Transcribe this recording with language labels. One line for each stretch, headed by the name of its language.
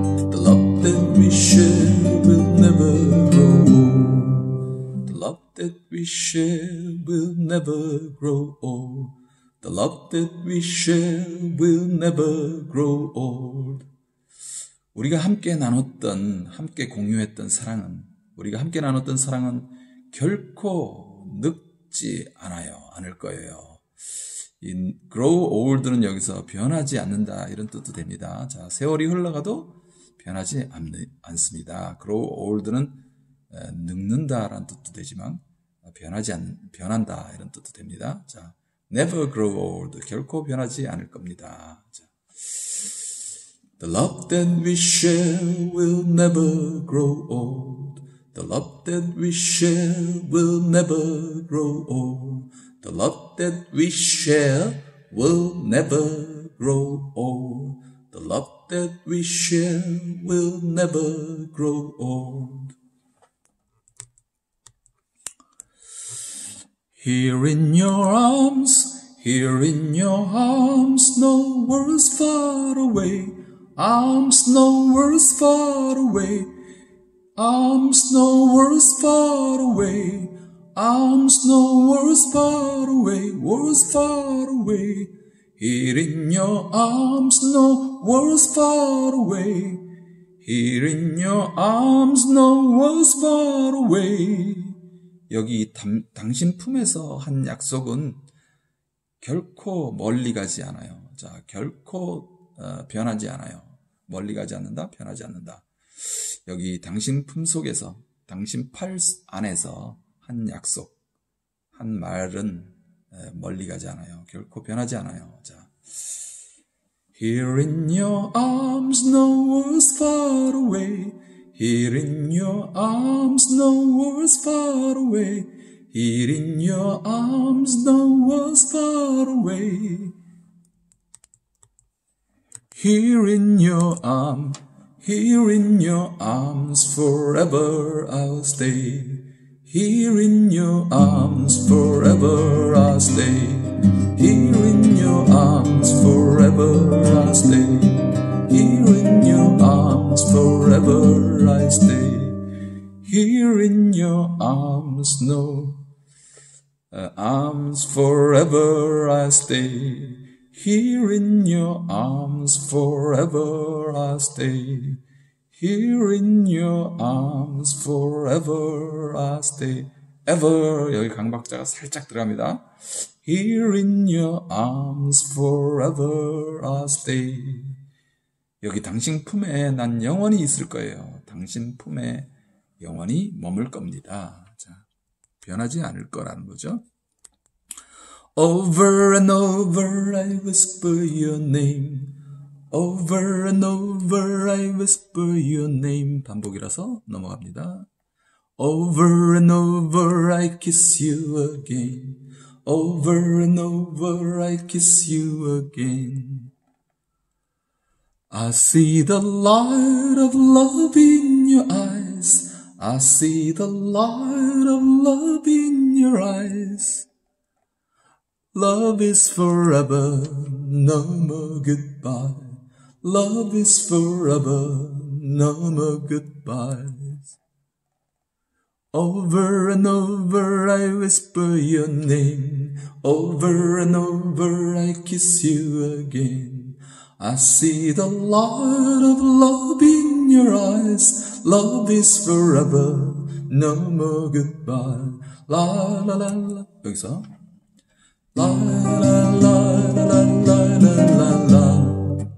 English: The love that we share will never grow old. The love that we share will never grow old. The love that we share will never grow old.
Korean: 우리가 함께 나눴던, 함께 공유했던 사랑은, 우리가 함께 나눴던 사랑은 결코 늙지 않아요. 않을 거예요. 이
English: grow old
Korean: 는 여기서 변하지 않는다. 이런 뜻도 됩니다. 자, 세월이 흘러가도 변하지 않습니다.
English: grow old
Korean: 는 늙는다. 라는 뜻도 되지만, 변하지 않, 변한다. 이런 뜻도 됩니다. 자,
English: never grow old.
Korean: 결코 변하지 않을 겁니다.
English: The love that we share will never grow old. The love that we share will never grow old. The love that we share will never grow old. The love that we share will never grow old. Here in your arms, here in your arms, no worries far away. Arms, no worries far away. Arms, no worries far away. Arms, no worries far away. Worries far away. Here in your arms, no worries far away. Here in your arms, no worries far away. 여기 당신 품에서 한 약속은 결코 멀리 가지 않아요. 자, 결코 변하지 않아요. 멀리 가지 않는다, 변하지 않는다. 여기 당신 품 속에서, 당신 팔 안에서 한 약속, 한 말은 멀리 가지 않아요. 결코 변하지 않아요. 자. Here in your arms, no worries far away. Here in your arms, no worries far away. Here in your arms, no worries far away. Here in your arm, here in your arms, forever I'll stay. Here in your arms, forever I'll stay. Here in your arms, forever I'll stay. Here in your arms, forever I stay. Here in your arms, no arms, forever I stay. Here in your arms, forever I stay. Here in your arms, forever I stay.
Korean: Ever, 여기 강박자가 살짝 들어갑니다.
English: Here in your arms, forever I stay.
Korean: 여기 당신 품에 난 영원히 있을 거예요. 당신 품에 영원히 머물 겁니다. 자, 변하지 않을 거라는 거죠.
English: Over and over I whisper your name. Over and over I whisper your name.
Korean: 반복이라서 넘어갑니다.
English: Over and over I kiss you again. Over and over I kiss you again. I see the light of love in your eyes. I see the light of love in your eyes. Love is forever, no more goodbye. Love is forever, no more goodbyes. Over and over I whisper your name. Over and over I kiss you again. I see the light of love in your eyes. Love is forever, no more goodbye. La la la la.
Korean: 여기서 라라라라라라라라.